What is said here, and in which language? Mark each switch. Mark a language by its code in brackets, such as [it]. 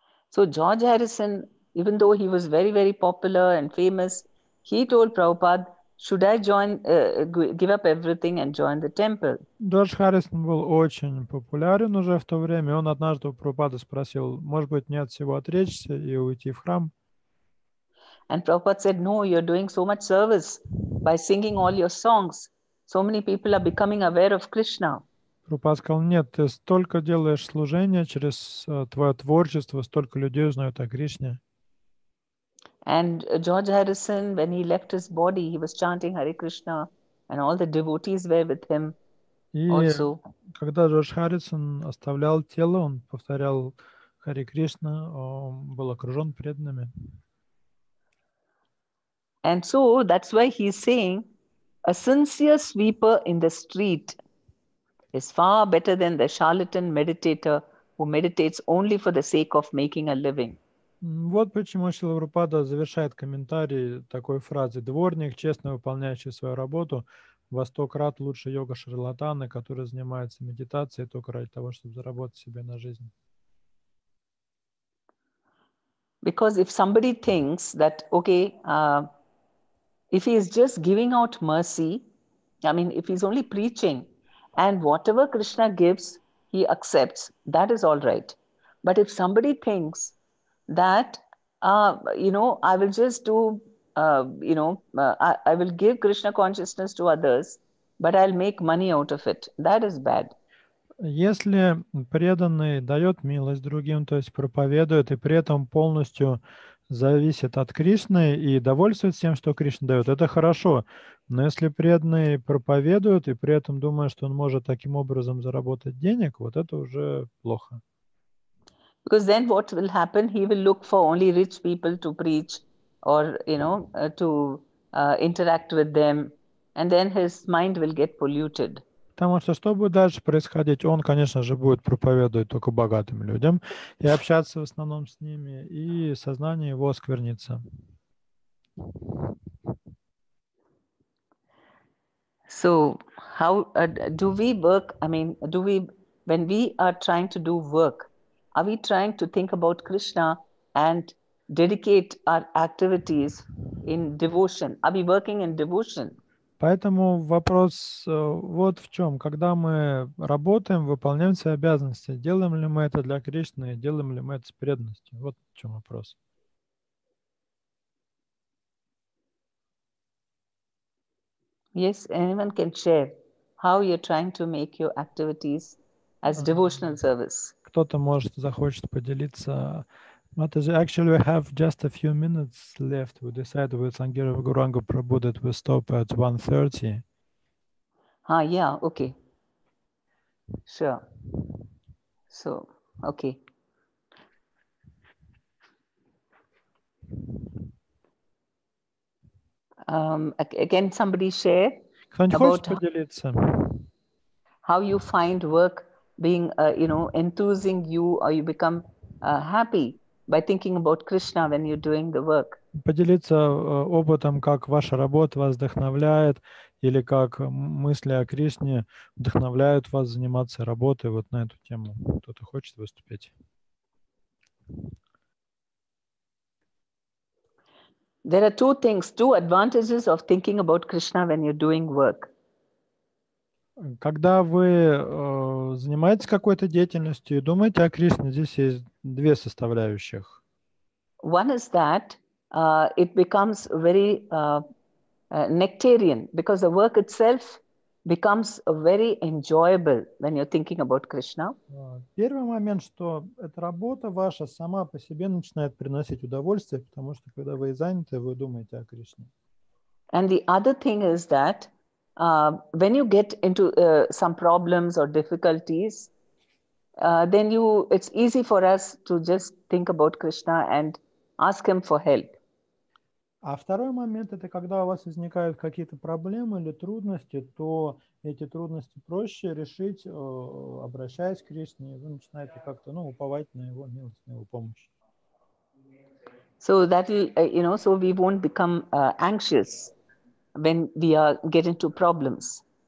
[en] So George Harrison, even though he was very, very popular and famous, he told Prabhupada, should I join, give up everything and join the temple? [ru] Джордж Харрисон был очень популярен уже в то время. Он однажды у Прабхупады спросил, может быть, не от всего отречься и уйти в храм? [en] And Prabhupada said, no, you're doing so much service by singing all your songs. So many people are becoming aware of Krishna. [ru] Прабхупада сказал, нет, ты столько делаешь служения через твое творчество, столько людей узнают о Кришне. [en] And George Harrison, when he left his body, he was chanting Hare Krishna, and all the devotees were with him also. [ru] Когда Джордж Харрисон оставлял тело, он повторял Харе Кришна был окружен преданными. [en] And so that's why he is saying, a sincere sweeper in the street is far better than the charlatan meditator who meditates only for the sake of making a living. [ru] Вот почему Шрила Прабхупада завершает комментарий такой фразой: дворник, честно выполняющий свою работу, во сто крат лучше йога-шарлатана, который занимается медитацией только ради того, чтобы заработать себе на жизнь. [en] Because if somebody thinks that, okay, if he is just giving out mercy, I mean, if he's only preaching, and whatever Krishna gives, he accepts, that is all right. But if somebody thinks that, you know, I will just do, you know, I will give Krishna consciousness to others, but I'll make money out of it, that is bad. [ru] Если преданный дает милость другим, то есть проповедует, и при этом полностью зависит от Кришны и довольствует тем, что Кришна дает, это хорошо. Но если преданный проповедует и при этом думает, что он может таким образом заработать денег, вот это уже плохо. [en] Because then what will happen? He will look for only rich people to preach or, you know, to interact with them. And then his mind will get polluted. [ru] Потому что что будет дальше происходить? Он, конечно же, будет проповедовать только богатым людям и общаться в основном с ними, и сознание его осквернится. [en] So, how do we work? I mean, do we, when we are trying to do work, are we trying to think about Krishna and dedicate our activities in devotion? Are we working in devotion? [ru] Поэтому вопрос вот в чем. Когда мы работаем, выполняем свои обязанности, делаем ли мы это для Кришны, делаем ли мы это с преданностью? Вот в чем вопрос. [en] Yes, anyone can share how you're trying to make your activities as devotional service. [ru] Кто-то может захочет поделиться. [en] But actually, we have just a few minutes left. We decided with Sangeet of Guranga Prabhu that we stop at 1:30. Yeah, okay. Sure. So, okay. Can somebody share about how you find work being, you know, enthusing you, or you become happy by thinking about Krishna when you're doing the work? [ru] Поделиться опытом, как ваша работа вас вдохновляет, или как мысли о Кришне вдохновляют вас заниматься работой вот на эту тему. Кто-то хочет выступить? [en] There are two things, two advantages of thinking about Krishna when you're doing work. [ru] Когда вы занимаетесь какой-то деятельностью и думаете о Кришне, здесь есть две составляющих. [en] One is that it becomes very nectarian, because the work itself becomes very enjoyable when you're thinking about Krishna. [ru] Первый момент, что эта работа ваша сама по себе начинает приносить удовольствие, потому что когда вы заняты, вы думаете о Кришне. [en] And the other thing is that when you get into some problems or difficulties, then it's easy for us to just think about Krishna and ask him for help. [ru] А второй момент – это когда у вас возникают какие-то проблемы или трудности, то эти трудности проще решить, обращаясь к Кришне, и вы начинаете как-то, ну, уповать на его милость, на его помощь. [en] So that will, you know, so we won't become anxious when we are getting to problems.